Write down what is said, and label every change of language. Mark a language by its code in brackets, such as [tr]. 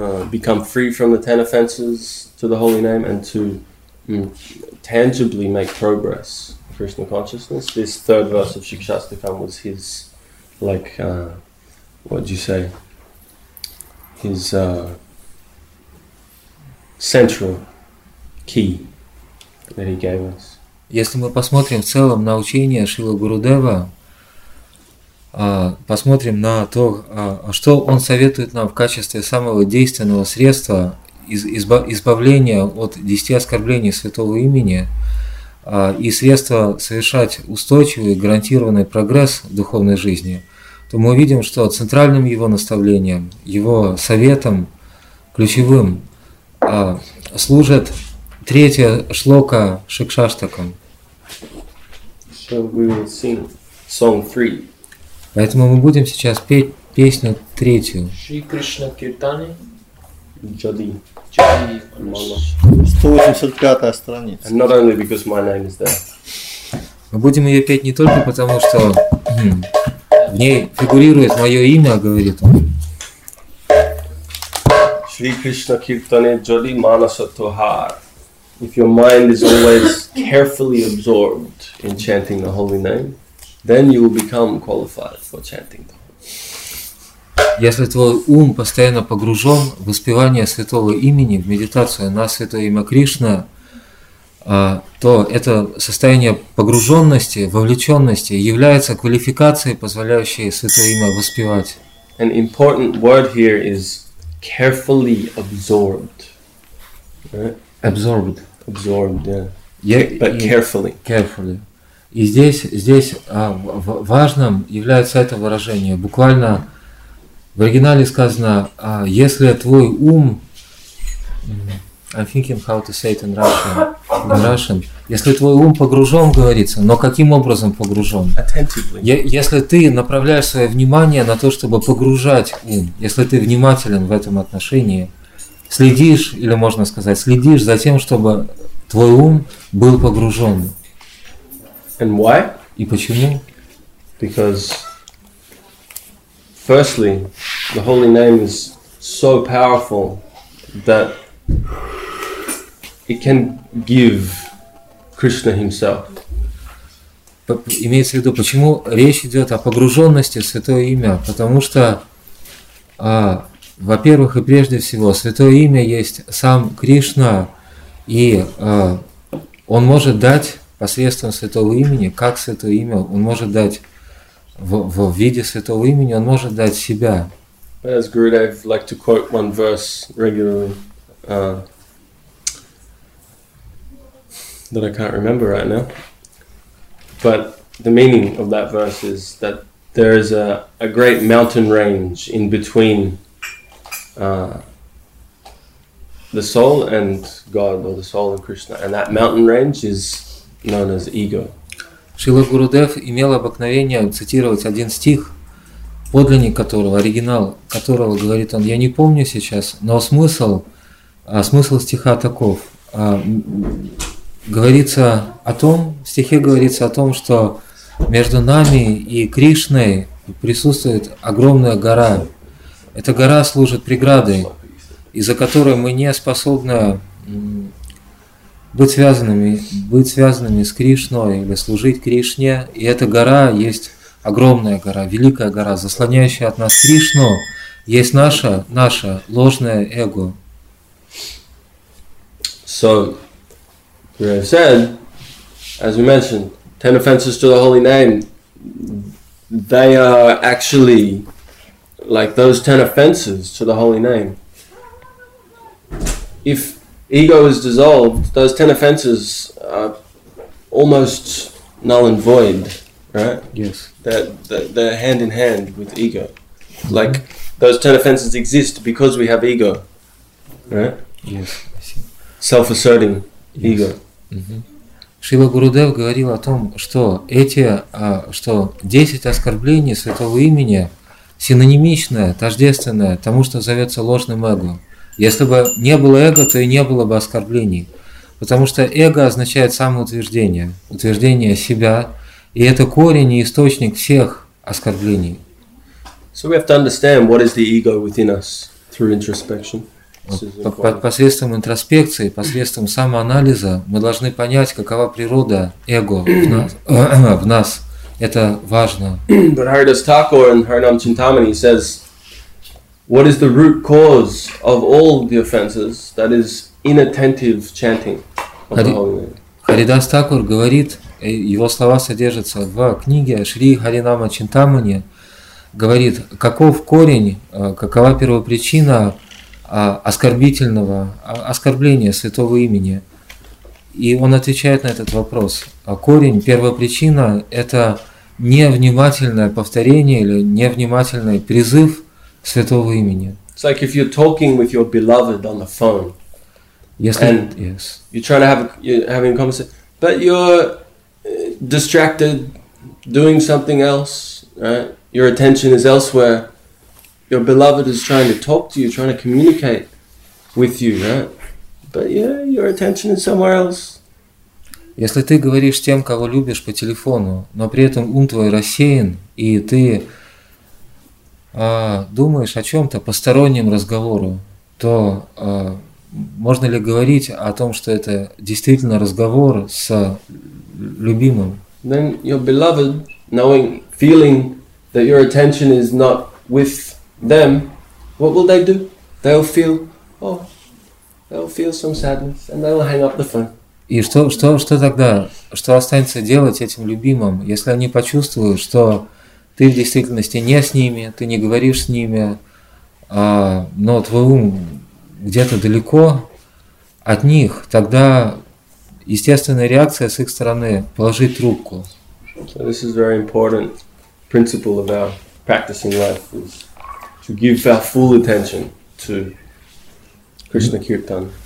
[en] become free from the 10 offenses to the holy name and to tangibly make progress in Krishna consciousness. This third verse of Shikshastakam was his, like, what do you say? His central key that he gave us. [ru] Если мы посмотрим в целом на учение Шрилы Гурудева, посмотрим на то, что он советует нам в качестве самого действенного средства избавления от 10 оскорблений святого имени и средства совершать устойчивый, гарантированный прогресс в духовной жизни, то мы видим, что центральным его наставлением, его советом ключевым служит третья шлока Шикшаштакам. [en] So we will sing song three. [ru] Поэтому мы будем сейчас петь песню третью. Шри Кришна Киртани. Джади. Джади. 185-я страница. [en] And not only because my name is there. [ru] Мы будем ее петь не только потому, что... В ней фигурирует мое имя, говорит он. [bn] Шри Кришна Киртане Джоди Манаса Тохар. [en] If your mind is always carefully absorbed in chanting the holy name, then you will become qualified for chanting the holy name. [ru] Если твой ум постоянно погружен в воспевание святого имени, в медитацию на святое имя Кришна, то это состояние погруженности, вовлеченности является квалификацией, позволяющей святое имя воспевать. [en] An important word here is carefully absorbed. Right? Absorbed. Absorbed, yeah. But carefully. Carefully. [ru] И здесь важным является это выражение. Буквально в оригинале сказано, если твой ум... [en] I'm thinking how to say it in Russian. In Russian. [ru] Если твой ум погружен, говорится, но каким образом погружен? [en] Attentively. [ru] Если ты направляешь свое внимание на то, чтобы погружать ум, если ты внимателен в этом отношении, следишь, или можно сказать, следишь за тем, чтобы твой ум был погружен. [en] And why? [ru] И почему? [en] Because, firstly, the holy name is so powerful that it can give Krishna himself. [ru] Имеется в виду, почему речь идет о погруженности в святое имя? Потому что, во-первых и прежде всего, святое имя есть сам Кришна, и он может дать посредством святого имени, как святое имя, он может дать в виде святого имени он может дать себя. [en] As Gurudev like to quote one verse regularly, that I can't remember right now. But the meaning of that verse is that there is a great mountain range in between the soul and God, or the soul and Krishna, and that mountain range is known as ego. [ru] Шрила Гурудев имел обыкновение цитировать один стих, подлинник которого, оригинал которого, говорит он, я не помню сейчас, но смысл стиха таков. Говорится о том, в стихе говорится о том, что между нами и Кришной присутствует огромная гора. Эта гора служит преградой, из-за которой мы не способны быть связанными с Кришной или служить Кришне. И эта гора есть огромная гора, великая гора, заслоняющая от нас Кришну, есть наше ложное эго. [en] So, we have said, as we mentioned, 10 offenses to the holy name, they are actually like those 10 offenses to the holy name. If ego is dissolved, those 10 offenses are almost null and void, right? Yes. They're hand in hand with ego. Mm-hmm. Like, those 10 offenses exist because we have ego, right? Yes. Self-asserting ego. [ru] Шрила Гурудев говорил о том, что что 10 оскорблений святого имени синонимичны, тождественны тому, что зовется ложным эго. Если бы не было эго, то и не было бы оскорблений. Потому что эго означает самоутверждение, утверждение себя. И это корень и источник всех оскорблений. [en] So we have to understand what is the ego within us through introspection. [ru] Посредством интроспекции, посредством самоанализа, мы должны понять, какова природа эго в нас. Это важно. [en] But Haridas Thakur in Harinam Chintamani says, what is the root cause of all the offenses, that is inattentive chanting of the Holy Name? [ru] Haridas Thakur говорит, его слова содержатся в книге Шри Харинама Чинтамани, говорит, каков корень, какова первопричина оскорбления святого имени. И он отвечает на этот вопрос. Корень, первопричина – это невнимательное повторение или невнимательный призыв святого имени. [en] It's like if you're talking with your beloved on the phone. Yes. And yes. You're trying to have you're having a conversation, but you're distracted, doing something else, right? Your attention is elsewhere. Your beloved is trying to talk to you, trying to communicate with you, right? But yeah, your attention is somewhere else. [ru] Если ты говоришь с тем, кого любишь по телефону, но при этом ум твой рассеян, и ты думаешь о чем-то постороннем разговору, то можно ли говорить о том, что это действительно разговор с любимым? [en] Then your beloved, knowing, feeling that your attention is not with them, what will they do? They'll feel some sadness and they will hang up the phone. [ru] И что тогда? Что останется делать этим любимым, если они почувствуют, что ты в действительности не с ними, ты не говоришь с ними, но твой ум где-то далеко от них, тогда естественная реакция с их стороны – положить трубку. [en] So this is very important principle of our practicing life is to give our full attention to Krishna Kirtan.